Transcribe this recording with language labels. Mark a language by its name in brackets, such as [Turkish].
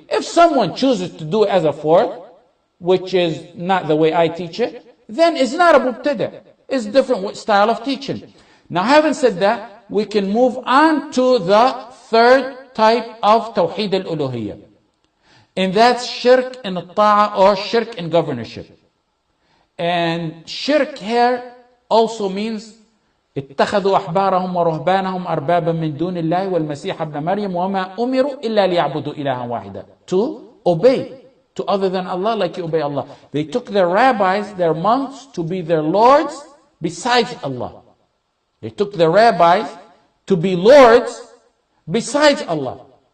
[English] If someone chooses to do it as a 4th, which is not the way I teach it, then it's not a mubtada. It's different style of teaching. Now, having said that, we can move on to the 3rd type of Tawheed al-Uluhiyyah. And that's shirk in ta'a or shirk in governorship. And shirk here also means [Arabic] اتخذوا أحبارهم ورهبانهم أربابا من دون الله والمسيح ابن مريم وما أمروا إلا ليعبدوا إلها واحدة. [English] To obey to other than Allah like you obey Allah. They took their rabbis, their monks, to be their lords besides Allah. They took their rabbis to be lords besides Allah.